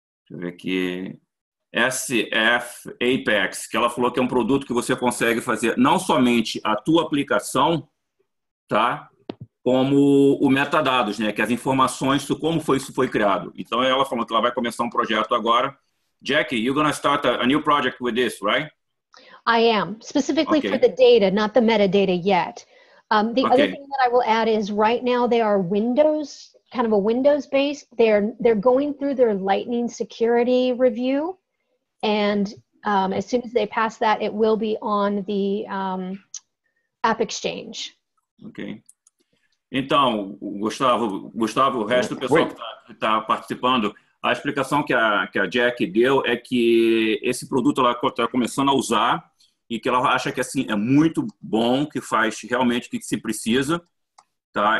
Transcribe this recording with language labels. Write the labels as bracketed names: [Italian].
[Portuguese] Deixa eu ver aqui. SF Apex, que ela falou que é um produto que você consegue fazer não somente a tua aplicação, tá? Como o metadados, né? Que as informações, como foi isso foi criado. Então ela falou que ela vai começar um projeto agora. [English] Jackie, you're going to start a new project with this, right? I am. Specifically okay. For the data, not the metadata yet. The okay. Other thing that I will add is right now they are Windows. Kind of a Windows base. They're going through their Lightning security review, and as soon as they pass that, it will be on the AppExchange. Okay. [Portuguese] Então, Gustavo, o resto do pessoal que está participando, a explicação que a Jack deu é que esse produto ela está começando a usar e que ela acha que assim é muito bom, que faz realmente o que se precisa, tá?